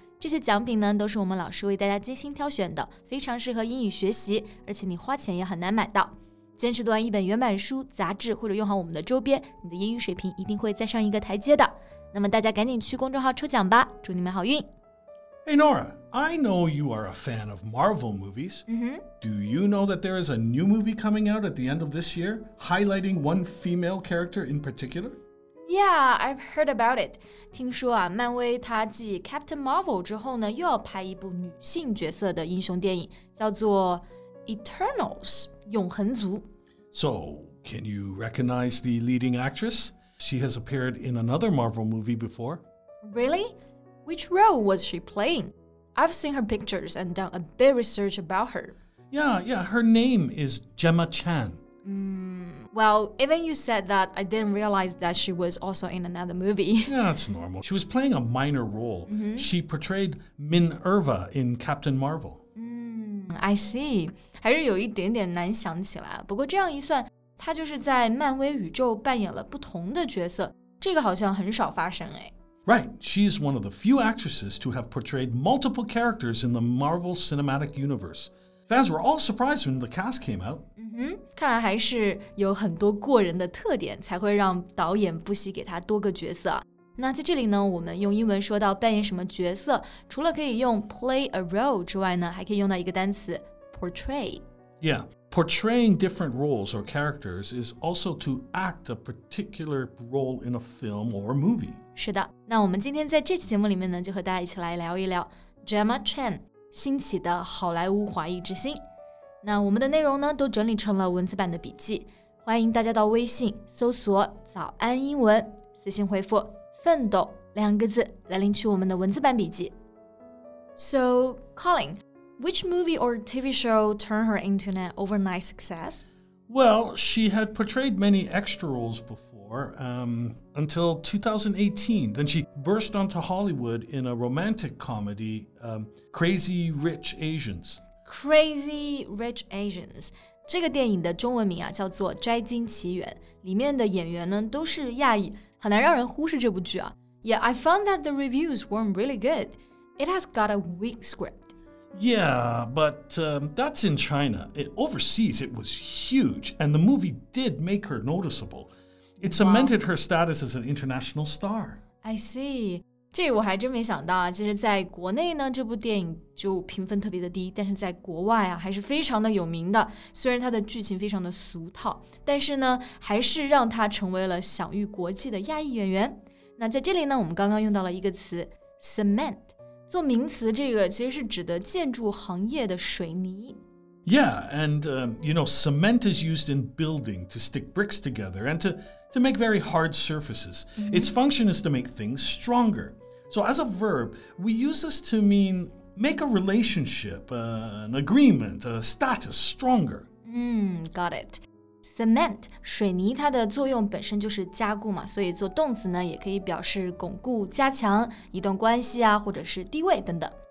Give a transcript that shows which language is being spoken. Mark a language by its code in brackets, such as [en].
[zh] 这些奖品呢，都是我们老师为大家精心挑选的，非常适合英语学习，而且你花钱也很难买到。坚持读完一本原版书、杂志，或者用好我们的周边，你的英语水平一定会再上一个台阶的。那么大家赶紧去公众号抽奖吧，祝你们好运。 [en] Hey Nora, I know you are a fan of Marvel movies. Do you know that there is a new movie coming out at the end of this year, highlighting one female character in particular? Yeah, I've heard about it. [zh] 听说啊，漫威它继 Captain Marvel 之后呢，又要拍一部女性角色的英雄电影，叫做 Eternals, 永恒族。 [en] So, can you recognize the leading actress? She has appeared in another Marvel movie before. Really? Which role was she playing? I've seen her pictures and done a bit research about her. Yeah, her name is Gemma Chan. Well, even you said that, I didn't realize that she was also in another movie. Yeah, that's normal. She was playing a minor role. She portrayed Minerva in Captain Marvel. I see. [zh] 还是有一点点难想起来。不过这样一算，她就是在漫威宇宙扮演了不同的角色。这个好像很少发生哎。 [en] Right, she is one of the few actresses to have portrayed multiple characters in the Marvel Cinematic Universe. Fans were all surprised when the cast came out. [zh] 看来还是有很多过人的特点才会让导演不惜给他多个角色。那在这里呢，我们用英文说到扮演什么角色，除了可以用 [en] play a role [zh] 之外呢，还可以用到一个单词 portray. [en] Yeah, portraying different roles or characters is also to act a particular role in a film or movie. [zh] 是的，那我们今天在这期节目里面呢，就和大家一起来聊一聊 Gemma Chan. 兴起的好莱坞华裔之星。那我们的内容呢都整理成了文字版的笔记，欢迎大家到微信搜索早安英文，私信回复奋斗两个字来领取我们的文字版笔记。 [en] So Colin, which movie or TV show turned her into an overnight success? Well, she had portrayed many extra roles before, until 2018. Then she burst onto Hollywood in a romantic comedy, Crazy Rich Asians. Crazy Rich Asians. [zh] 这个电影的中文名啊，叫做《摘金奇缘》，里面的演员呢，都是亚裔，很难让人忽视这部剧啊。 [en] Yeah, I found that the reviews weren't really good. It has got a weak script. Yeah, but that's in China. Overseas, it was huge, and the movie did make her noticeable. It cemented her status as an international star. I see. [zh] 这我还真没想到啊，其实在国内呢，这部电影就评分特别的低，但是在国外啊，还是非常的有名的。虽然它的剧情非常的俗套，但是呢，还是让她成为了享誉国际的亚裔演员。那在这里呢，我们刚刚用到了一个词 cement. 做名词这个其实是指的建筑行业的水泥。 [en] Yeah, and you know, cement is used in building to stick bricks together and to make very hard surfaces. Its function is to make things stronger. So as a verb, we use this to mean make a relationship, an agreement, a status stronger. Got it. [zh] Cement, 水泥它的作用本身就是加固嘛，所以做动词呢也可以表示巩固、加强一段关系啊，或者是地位等等。